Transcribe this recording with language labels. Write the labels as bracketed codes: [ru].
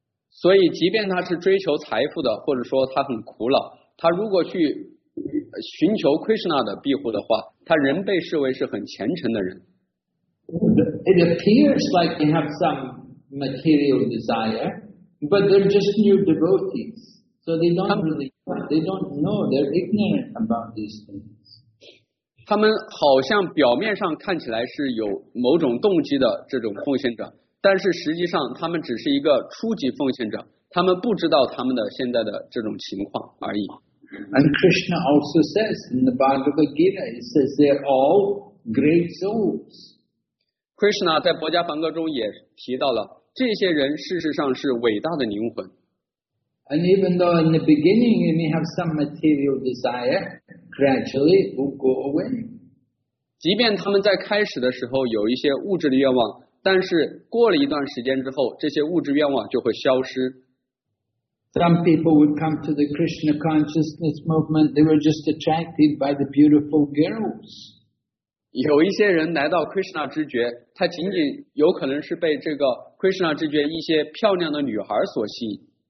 [zh] 所以即便他是追求财富的，或者说他很苦恼，他如果去寻求 Krishna 的庇护的话，他仍被视为是很虔诚的人。 [en] It appears like they have some material desire, but they're just new devotees, so they don't know, they're ignorant about these things. [zh] 他们好像表面上看起来是有某种动机的这种奉献者，但是实际上他们只是一个初级奉献者，他们不知道他们的现在的这种情况而已。 [en] And Krishna also says in the Bhagavad Gita, he says they're all great souls. [zh] Krishna 在博迦梵歌中也提到了，这些人事实上是伟大的灵魂。 [en] And even though in the beginning you may have some material desire,Gradually, it will go away. [zh] 即便他们在开始的时候有一些物质的愿望，但是过了一段时间之后，这些物质愿望就会消失。 [en] Some people would come to the Krishna consciousness movement. They were just attracted by the beautiful girls. [zh] 有一些人来到 Krishna 知觉，他仅仅有可能是被这个 Krishna 知觉一些漂亮的女孩所吸引。